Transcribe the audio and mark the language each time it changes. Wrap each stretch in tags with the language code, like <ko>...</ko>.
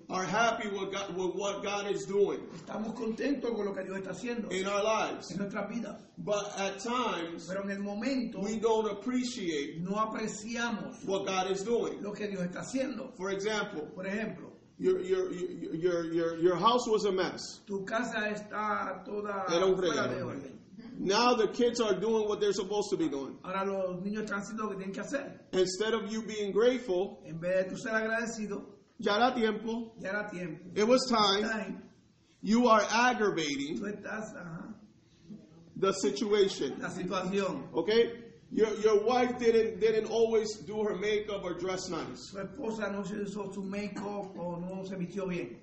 <en>are happy with what God is doing.</en> <es>Estamos contentos con lo que Dios está haciendo</es> <en>in our lives,</en> <es>en nuestras vidas.</es> <en>But at times,</en> <es>pero en el momento,</es> <en>we don't appreciate,</en> <es>no apreciamos</es> <en>what God is doing,</en> <es>lo que Dios está haciendo.</es> <en>For example,</en> <es>por ejemplo,</es> <en>Your house was a mess.</en> <es>Tu casa está toda era un fregadero.</es> <en>Now the kids are doing what they're supposed to be doing.</en> <es>Ahora los niños están haciendo lo que tienen que hacer.</es> <en>Instead of you being grateful,</en> <es>en vez de tú ser agradecido, ya era tiempo.</es> <en>It was time. You are aggravating</en> <es>tú estás,</es> <en>the situation.</en> <es>La situación.</es> <en>Okay? Your wife didn't always do her makeup or dress nice.</en> <es>Su esposa no se hizo su makeup o no se vistió bien.</es>